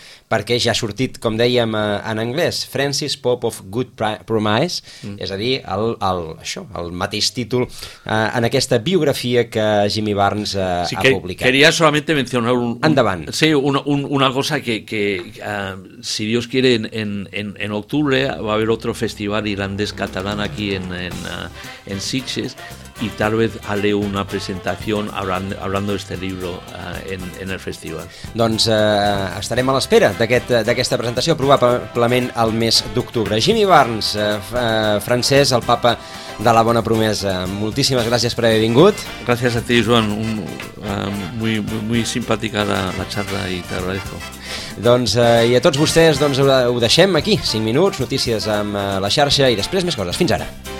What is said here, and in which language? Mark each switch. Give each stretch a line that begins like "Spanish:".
Catalan: Perquè ja ha sortit, com dèiem en anglès, Francis Pope of Good Promise, és a dir, el mateix títol en aquesta biografia que Jimmy Barnes ha publicat.
Spanish: Quería solamente mencionar
Catalan: endavant.
Spanish: Sí, una cosa que si Dios quiere, en octubre va a haber otro festival irlandés-catalán aquí en Sitges, y tal vez haré una presentación hablando de este libro en el festival.
Catalan: Doncs estarem a l'espera d'aquesta presentació, probablement al mes d'octubre. Jimmy Barnes, francès, el papa de la bona promesa, moltíssimes gràcies per haver vingut.
Spanish: Gràcies a ti, Joan. Muy, muy, muy simpática la charla y te agradezco.
Catalan: Doncs, i a tots vostès, doncs, ho deixem aquí. 5 minuts, notícies amb la xarxa i després més coses. Fins ara.